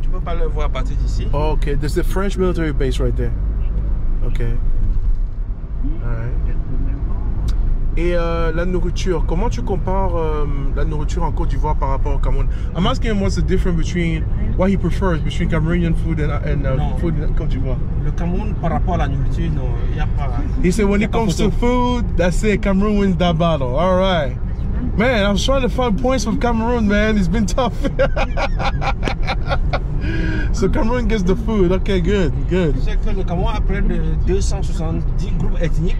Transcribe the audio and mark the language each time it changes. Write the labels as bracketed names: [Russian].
[English] Okay, there's the French military base right there. Okay. Alright. [French] Et la nourriture, comment tu compares la nourriture en Côte d'Ivoire par rapport au Cameroun? [English] I'm asking him what's the difference between what he prefers between Cameroonian food and food in Côte d'Ivoire. [French] Le Cameroun par rapport à la nourriture, non, y a pas. [English] He said when it comes to food, that's it, Cameroon wins that battle. Alright. Man, I was trying to find points from Cameroon, man. It's been tough. So Cameroon gets the food. Okay, good, good. You know that the Cameroon has more than 270 groups ethnic.